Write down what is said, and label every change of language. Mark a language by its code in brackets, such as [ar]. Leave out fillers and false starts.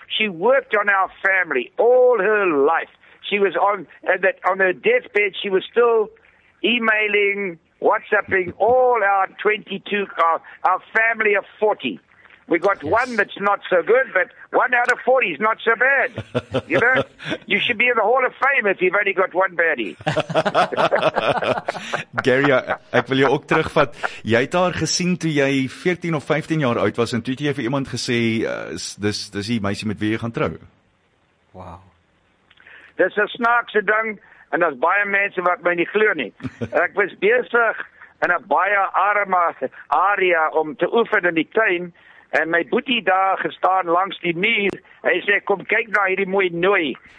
[en] She worked on our family all her life. She was on her deathbed, she was still emailing, WhatsApping all our 22, our family of 40. We got one that's not so good, but one out of 40 is not so bad. You know, you should be in the Hall of Fame if you've only got one baddie. [af] Gary, ek wil jou ook terugvat. Jy het haar gesien toe jy 14 of 15 jaar oud was, en toe het jy vir iemand gesê, dis die meisie met wie jy gaan trou. Wow. Dis 'n snaakse ding, en daar's baie mense wat my nie glo nie. Ek was besig in 'n baie arme area om te oefen in die tuin, en my boetie daar gestaan langs die muur, en hy sê, kom kyk na hierdie mooi nooi.